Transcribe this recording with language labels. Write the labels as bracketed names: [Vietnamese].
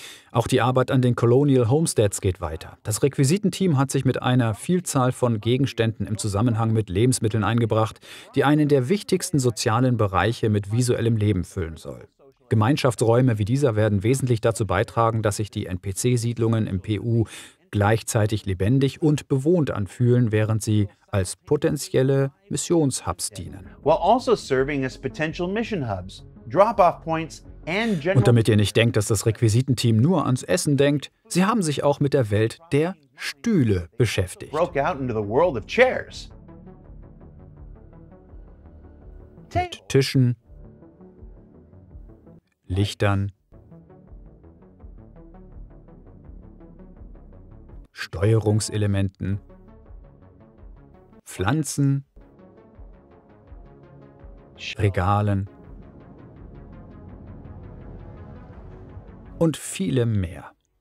[German] Auch die Arbeit an den Colonial Homesteads geht weiter. Das Requisitenteam hat sich mit einer Vielzahl von Gegenständen im Zusammenhang mit Lebensmitteln eingebracht, die einen der wichtigsten sozialen Bereiche mit visuellem Leben füllen soll. Gemeinschaftsräume wie dieser werden wesentlich dazu beitragen, dass sich die NPC-Siedlungen im PU gleichzeitig lebendig und bewohnt anfühlen, während sie als potenzielle Missionshubs dienen. [English] While also serving as potential mission hubs, drop-off points and general. [German] Und damit ihr nicht denkt, dass das Requisitenteam nur ans Essen denkt, sie haben sich auch mit der Welt der Stühle beschäftigt. [English] Broke out into the world of chairs. [German] Mit Tischen, Lichtern, Steuerungselementen, Pflanzen, Regalen und vielem mehr.